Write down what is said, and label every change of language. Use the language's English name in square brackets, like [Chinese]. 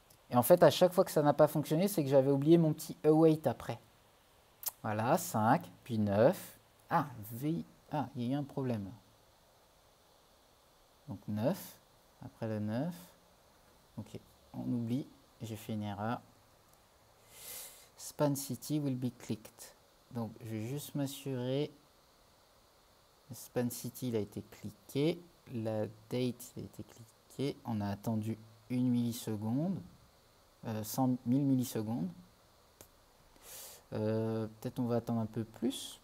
[French] Et en fait, à chaque fois que ça n'a pas fonctionné, c'est que j'avais oublié mon petit await après. Voilà, 5, puis 9. Ah, V. Ah, il y a eu un problème. Donc 9, après le 9. Ok, on oublie, j'ai fait une erreur. [English] Span City will be clicked. [French] Donc, je vais juste m'assurer. Span City, il a été cliqué. La date, il a été cliqué. On a attendu une milliseconde. 100 000 millisecondes. Peut-être on va attendre un peu plus.